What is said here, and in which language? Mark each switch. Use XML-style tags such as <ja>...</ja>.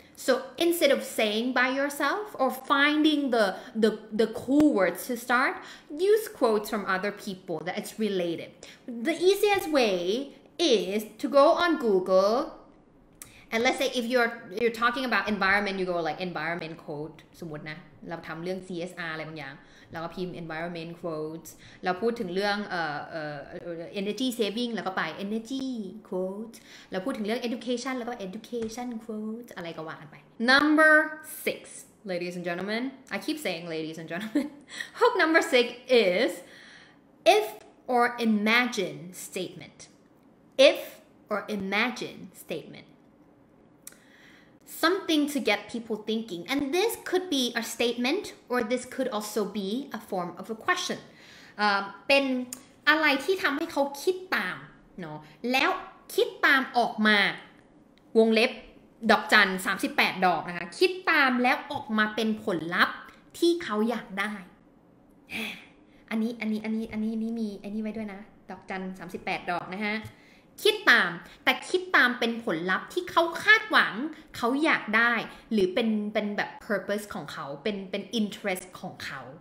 <en>So instead of saying by yourself or finding the cool words to start, use quotes from other people that it's related. The easiest way is to go on Google. And let's say if you're talking about environment, you go like environment quote.</en> <th>สมมตินะเราทำเรื่อง CSR อะไรบางอย่างเราก็พิมพ์ environment quotes. เราพูดถึงเรื่อง energy saving แล้วก็ไป energy quotes. เราพูดถึงเรื่อง education แล้วก็ education quotes. อะไรก็ว่ากันไป</th> <en>Number 6, ladies and gentlemen. I keep saying ladies and gentlemen. Hook number 6 is if or imagine statement. If or imagine statement. Something to get people thinking. And this could be a statement or this could also be a form of a question.</en> <th>เป็นอะไรที่ทำให้เขาคิดตามเนาะแล้วคิดตามออกมาวงเล็บดอกจัน38ดอกนะคะคิดตามแล้วออกมาเป็นผลลัพธ์ที่เขาอยากได้อันนี้มีอันนี้ไว้ด้วยนะดอกจัน38ดอกนะฮะคิดตามแต่คิดตามเป็นผลลัพธ์ที่เขาคาดหวังเขาอยากได้หรือเป็นแบบ purpose ของเขาเป็น interest ของเขา</th>